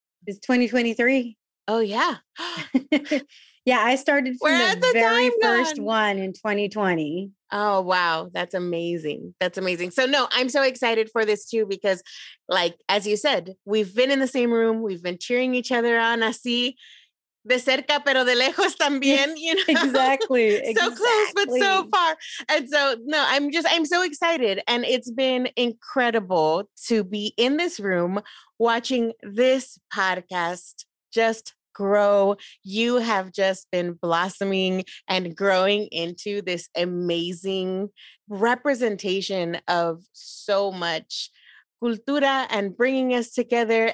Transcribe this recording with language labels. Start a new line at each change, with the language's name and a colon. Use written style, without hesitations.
English: It's 2023. Oh, yeah. Yeah, I started from the very first one in 2020. Oh, wow. That's amazing. That's amazing. So, no, I'm so excited for this, too, because, like, as you said, we've been in the same room. We've been cheering each other on.
Spanish: Así, de cerca, pero de lejos también,
English: you know? Exactly. So close, but so far. And so, no, I'm so excited. And it's been incredible to be in this room watching this podcast just grow. You have just been blossoming and growing into this amazing representation of so much cultura and bringing us together.